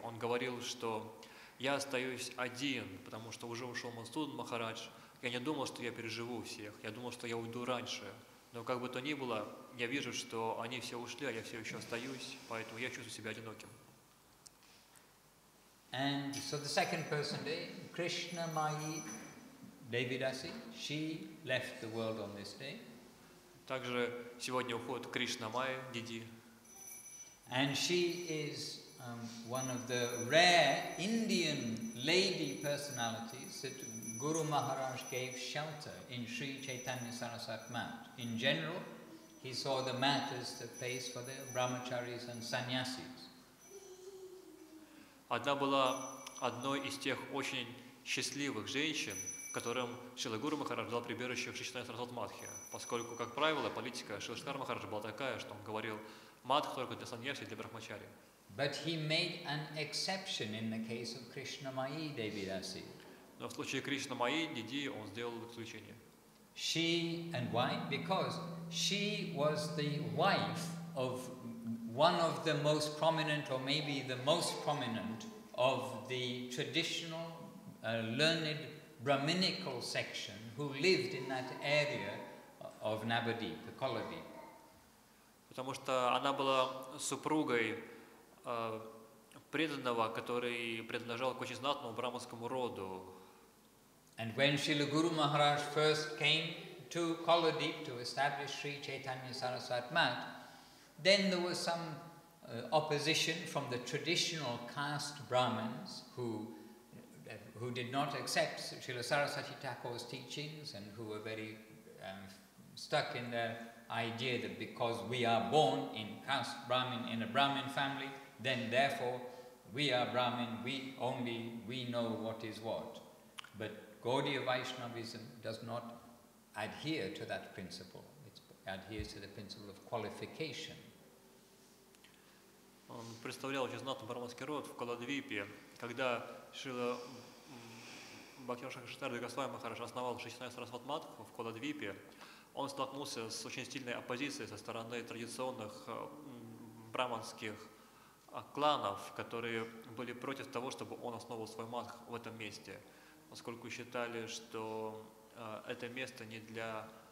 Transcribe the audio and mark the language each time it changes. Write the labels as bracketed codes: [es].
[ru] Он говорил, что я остаюсь один, потому что уже ушел Мадхусудан Махарадж. Я не думал, что я переживу всех. Я думал, что я уйду раньше. Но как бы то ни было, я вижу, что они все ушли, а я все еще остаюсь. Поэтому я чувствую себя одиноким. [en] And so the second person, Krishnamayi Devi Dasi, she left the world on this day. [ru] Также сегодня уход Кришна Майи Диди. [en] And she is one of the rare Indian lady personalities that Guru Maharaj gave shelter in Sri Chaitanya Sarasat Mount. In general, he saw the mat as the place for the brahmacharis and sannyasis. [ru] Одна была одной из тех очень счастливых женщин, которым Шрила Гуру Махарадж дал прибежище в Шри Чайтанья Сарасвати Матхе, поскольку, как правило, политика Шрила Шанкара Махараджа была такая, что он говорил «Матх только для саньяси и для брахмачари». [en] But he made an exception in the case of Krishnamayi Devidasi. [ru] Но в случае Кришнамайи Диди он сделал исключение. [en] She and why? Because she was the wife of one of the most prominent, or maybe the most prominent, of the traditional learned Brahminical section who lived in that area of Navadvip, the colony. [ru] Потому что она была супругой преданного, который принадлежал к очень знатному брахманскому роду. [en] And when Srila Guru Maharaj first came to Kaladip to establish Sri Chaitanya Sarasat Math, then there was some opposition from the traditional caste Brahmins who did not accept Srila Sarasati Thakur's teachings and who were very stuck in the idea that because we are born in caste Brahmin, in a Brahmin family, then therefore we are Brahmin, we know what is what. But Gaudiya Vaishnavism does not adhere to that principle. It adheres to the principle of qualification. [ru] Он представлял очень знатный брахманский род в Каладвипе, когда Шрила Бхактивинода Госвами Махарадж основал Шри Чайтанья Сарасвати Матху в Каладвипе, он столкнулся с очень сильной оппозицией со стороны традиционных брахманских кланов, которые были против того, чтобы он основал свой матх в этом месте, поскольку считали, что это место не для